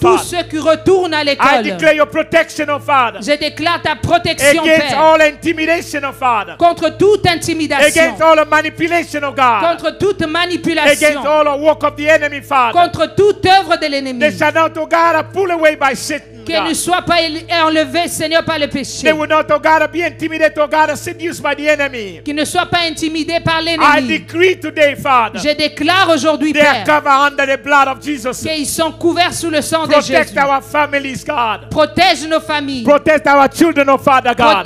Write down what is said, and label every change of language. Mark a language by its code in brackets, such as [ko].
[fr] tous ceux qui retournent à l'école. [en] I declare your protection, oh Father. [fr] Je déclare ta protection, [en] against [fr] Père. [en] Against all intimidation, oh Father. [fr] Contre toute intimidation. [en] Against all manipulation, oh God. [fr] Contre toute manipulation. [en] Against all work of the enemy, Father. [fr] Contre toute œuvre de l'ennemi. [en] They shall not, oh God, pull away by Satan. [fr] Qu'ils ne soient pas enlevés, Seigneur, par le péché. [en] They will not, oh God, be intimidated, oh God, seduced by the enemy. [fr] Qu'ils ne soient pas intimidés par l'ennemi. [en] I decree today, Father. [fr] Je déclare aujourd'hui, [en] they [fr] Père. [en] They are covered under the blood of Jesus. [fr] Qu'ils sont couverts sous le sang [en] protect [fr] de Jésus. [en] Protect our families, God. [fr] Protège nos familles. [en] Protect our children, oh Father God.